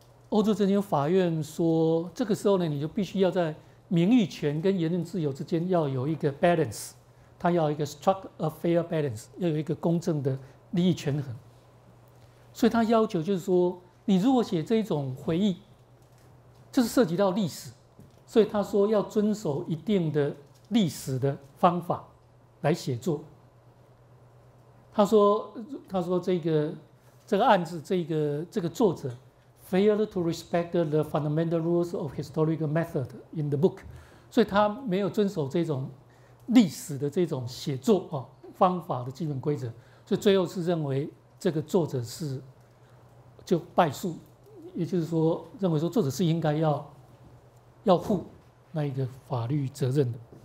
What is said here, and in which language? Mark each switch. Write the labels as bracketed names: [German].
[Chinese] 欧洲人权法院说，这个时候呢，你就必须要在名誉权跟言论自由之间要有一个 balance， 它要一个 [English] strike a fair balance， [Chinese] 要有一个公正的利益权衡。所以他要求就是说，你如果写这种回忆，就是涉及到历史，所以他说要遵守一定的历史的方法来写作。他说这个案子这个作者 [English] failed to respect the fundamental rules of historical method in the book， [Chinese] 所以他没有遵守这种历史的这种写作啊方法的基本规则，所以最后是认为这个作者是就败诉，也就是说认为说作者是应该要负那一个法律责任的。